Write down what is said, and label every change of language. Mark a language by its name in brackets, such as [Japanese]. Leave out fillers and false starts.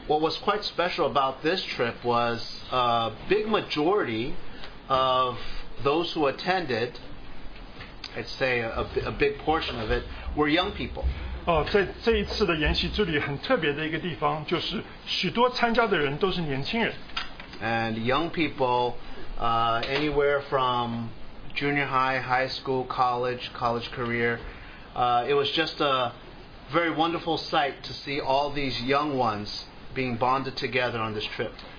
[English] What was quite special about this trip was a big majority of those who attended, I'd say a big portion of it, were young people. [Chinese] 在这一次的研习之旅很特别的一个地方就是许多参加的人都是年轻人。 [English] And young people, anywhere from junior high, high school, college, college career. It was just a very wonderful sight to see all these young ones being bonded together on this trip.